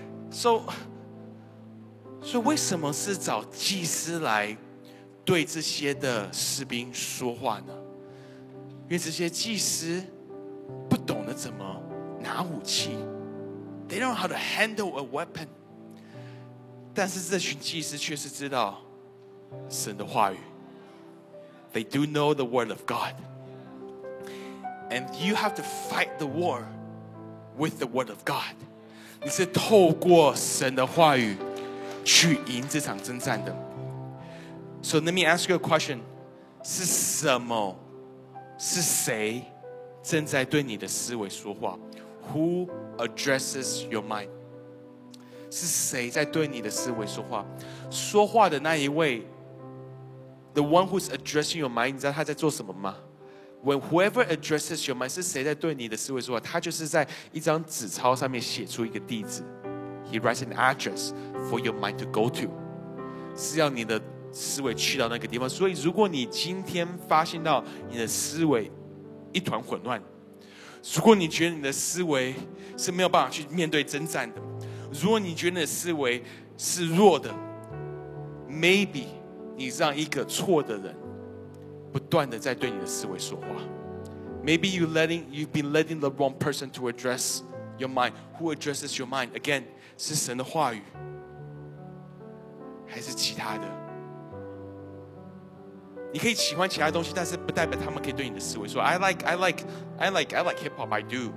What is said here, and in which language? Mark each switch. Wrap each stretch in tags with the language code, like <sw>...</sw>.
<zh>所以为什么是找祭司来对这些的士兵说话呢？因为这些祭司不懂得怎么拿武器，</zh> <en>They don't know how to handle a weapon.</en> <zh>但是这群祭司却是知道神的话语。</zh> <en>They do know the word of God. And you have to fight the war with the word of God.</en> <zh>你是透过神的话语去赢这场征战的。</zh> <en>So let me ask you a question.</en> <zh>是什么？是谁正在对你的思维说话？</zh> <en>Who addresses your mind?</en> <zh>是谁在对你的思维说话？说话的那一位，</zh> <en>The one who's addressing your mind,</en> <zh>你知道他在做什么吗？</zh> <en>When whoever addresses your mind,</en> <zh>是谁在对你的思维说话？他就是在一张纸钞上面写出一个地址。</zh> <en>He writes an address for your mind to go to.</en> <zh>是要你的思维去到那个地方。所以如果你今天发现到你的思维一团混乱，如果你觉得你的思维是没有办法去面对征战的，如果你觉得你的思维是弱的， maybe你让一个错的人不断的在对你的思维说话。</zh> <en>Maybe you've been letting the wrong person to address your mind. Who addresses your mind? Again,</en> <zh>是神的话语还是其他的？你可以喜欢其他东西，但是不代表他们可以对你的思维说</zh> <en>I like hip hop, I do.</en>